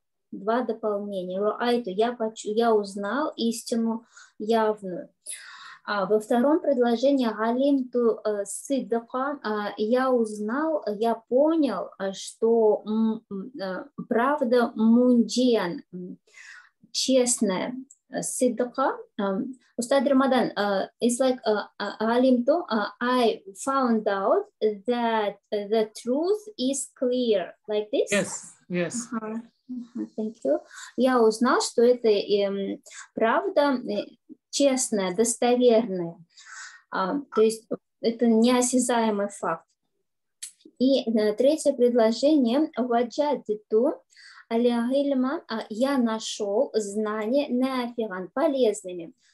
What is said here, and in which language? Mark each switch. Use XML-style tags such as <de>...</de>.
<ru>Два дополнения. Ra'aytu, я узнал истину явную. А во втором предложении галимту сидха, я понял, что правда мунджиан, честная.</ru> <en>Сидха, устад Рамадан, it's like галимту, I found out that the truth is clear, like this? Yes, yes. Thank you.</en> <ru>Я узнал, что это правда честная, достоверная. То есть это неосязаемый факт. И третье предложение. Ваджадиту аль-гильма, я нашел знания нафиган, полезными.</ru>